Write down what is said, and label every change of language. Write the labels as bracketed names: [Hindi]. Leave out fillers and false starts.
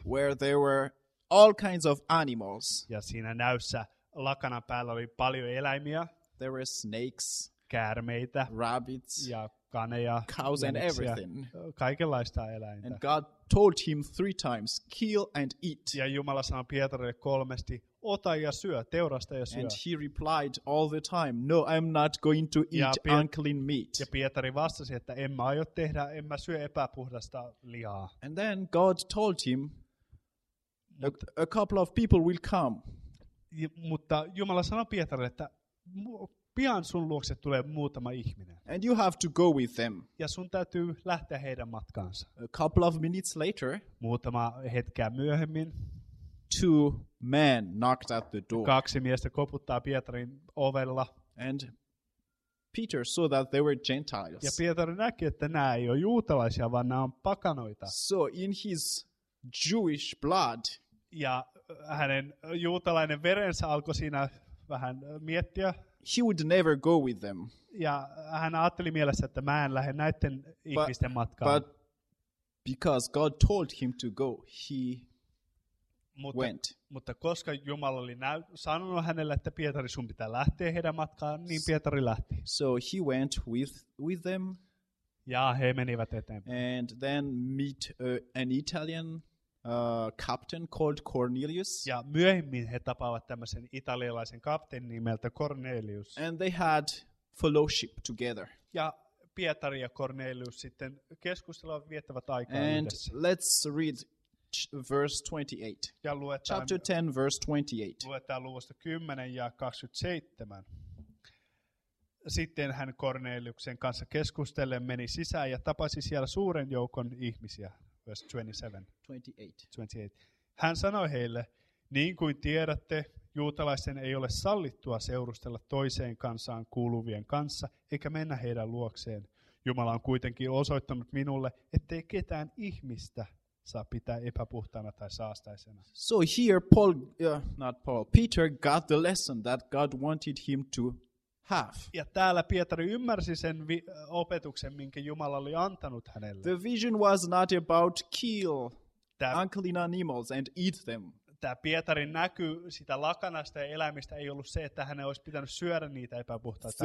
[English] Where there were all kinds of animals. [Finnish] Ja siinä näyssä lakana päällä oli paljon eläimiä. [English] There were snakes. [Finnish] Käärmeitä. [English] Rabbits. [Finnish] Ja kaneja. [English] Cows and everything. [Finnish] Kaikenlaista eläintä. [English] And God told him 3 times, kill and eat. [Finnish] Ja Jumala sanoi Pietarille 3, ota ja syö, teurasta ja syö. [English] And he replied all the time, no, I'm not going to eat unclean meat. [Finnish] Ja Pietari vastasi, että en mä aio tehdä, en mä syö epäpuhdasta lihaa. [English] And then God told him, a couple of people will come. [Finnish] Mutta Jumala sanoi Pietarille, että pian sun luokse tulee muutama ihminen. [English] And you have to go with them. [Finnish] Ja sun täytyy lähteä heidän matkaansa. [English] A couple of minutes later. [Finnish] Muutama hetkeä myöhemmin. [English] 2 men knocked at the door. [Finnish] 2 miestä koputtaa Pietarin ovella. [English] And Peter saw that they were Gentiles. [Finnish] Ja Pietari näki, että nämä ei ole juutalaisia, vaan nämä on pakanoita. [English] So in his Jewish blood. [Finnish] Ja hänen juutalainen verensä alkoi siinä vähän miettiä. [English] he would never go with them. [Finnish] Ja hän ajatteli mielessä, että mä en lähde näiden ihmisten matkaan. [English] But because God told him to go, he went. [Finnish] Mutta koska Jumala oli sanonut hänelle, että Pietari, sun pitää lähteä heidän matkaan, niin Pietari lähti. [English] So he went with them. [Finnish] Ja he menivät eteenpäin. [English] And then meet an Italian captain called Cornelius. [Finnish] Ja myöhemmin he tapaavat tämmöisen italialaisen kapteenin nimeltä Cornelius. [English] And they had fellowship together. [Finnish] Ja Pietari ja Cornelius sitten keskustelevat, viettävät aikaa [English] and [Finnish] yhdessä. [English] And let's read verse 28. [Finnish] Ja luetaan, [English] chapter 10, verse 28. [Finnish] Luetaan luvusta 10 ja 27. Sitten hän Korneliuksen kanssa keskustellen meni sisään ja tapasi siellä suuren joukon ihmisiä. [English] Verse 28. [Finnish] Hän sanoi heille, niin kuin tiedätte, juutalaisten ei ole sallittua seurustella toiseen kansaan kuuluvien kanssa, eikä mennä heidän luokseen. Jumala on kuitenkin osoittanut minulle, ettei ketään ihmistä saa pitää epäpuhtana tai saastaisena. [English] So here Paul, not Paul, Peter got the lesson that God wanted him to have. [Finnish] Ja täällä Pietari ymmärsi sen opetuksen, minkä Jumala oli antanut hänelle. [English] The vision was not about kill unclean animals and eat them. [Finnish] Tämä Pietarin näky sitä lakanasta ja eläimistä ei ollut se, että hän olisi pitänyt syödä niitä epäpuhtaita